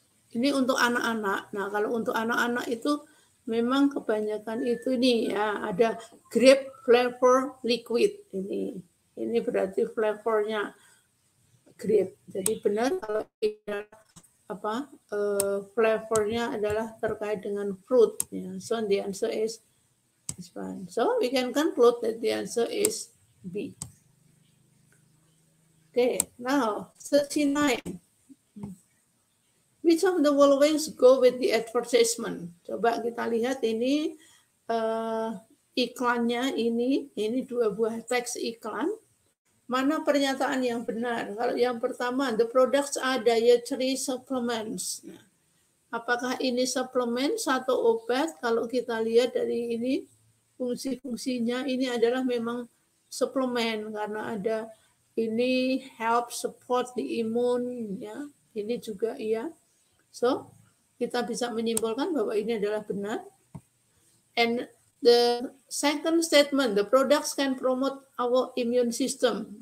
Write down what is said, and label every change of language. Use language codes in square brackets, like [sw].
[id] Ini untuk anak-anak. Nah, kalau untuk anak-anak itu memang kebanyakan itu nih ya, ada grape flavor liquid ini. Ini berarti flavornya grape. Jadi benar kalau ini apa flavornya adalah terkait dengan fruit ya. [en] So the answer is fine. So we can conclude that the answer is B. Okay, now 39. Which of the followings go with the advertisement? [id] Coba kita lihat ini iklannya ini dua buah teks iklan. Mana pernyataan yang benar? Kalau yang pertama, [en] the products are dietary supplements. [id] Nah, apakah ini suplemen atau obat? Kalau kita lihat dari ini, fungsi-fungsinya ini adalah memang suplemen karena ada ini [en] help support the immune, [id] ya. Ini juga iya. So, kita bisa menyimpulkan bahwa ini adalah benar. [en] And the second statement, the products can promote our immune system.